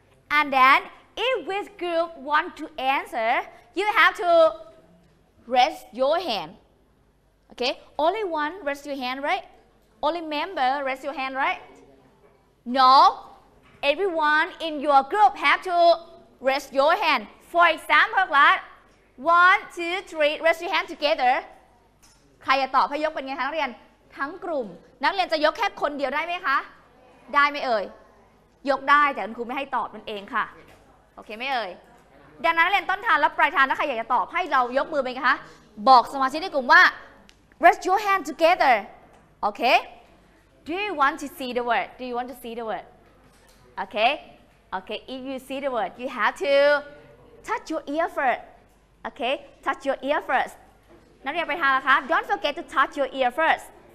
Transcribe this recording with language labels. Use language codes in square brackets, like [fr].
[en] And then, if this group want to answer, you have to raise your hand. Okay? Only one raise your hand, right? Only member raise your hand, right? No. Everyone in your group have to raise your hand. For example, class, 1, 2, 3, raise your hand together. [th] ใครจะตอบพยกเป็นไงคะนักเรียนทั้งกลุ่มนักเรียนจะยกแค่คนเดียวได้ไหมคะได้ไหมเอ่ยยกได้แต่ครูไม่ให้ตอบมันเองค่ะโอเคไม่เอ่ยดังนั้นนักเรียนต้นทานและปลายทานถ้าใครอยากจะตอบให้เรายกมือเป็นไงคะบอกสมาชิกในกลุ่มว่า [en] raise your hand together. Okay. Do you want to see the word? Do you want to see the word? Okay, okay. If you see the word, you have to touch your ear first. Okay, touch your ear first. [th] นักเรียนไปทานแล้วคะ [en] Don't forget to touch your ear first.